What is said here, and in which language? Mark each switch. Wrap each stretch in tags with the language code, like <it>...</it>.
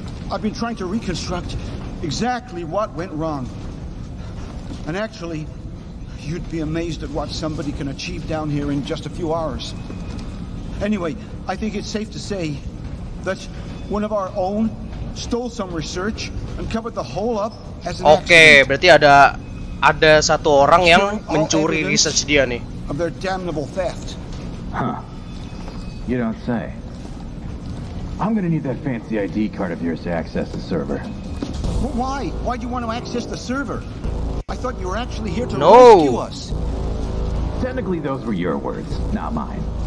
<en>I've been trying to reconstruct exactly what went wrong. And actually, you'd be amazed at what somebody can achieve down here in just a few hours. Anyway, I think it's safe to say that one of our own stole some research and covered the whole up as an</en> <id>okay, berarti ada satu orang yang mencuri research dia nih.</id> <en>Of their damnable theft. Huh. You don't say. I'm gonna need that fancy ID card of yours to access the server. Why? Why do you want to access the server? I thought you were actually here to rescue us. Technically, those were your words, not mine.</en>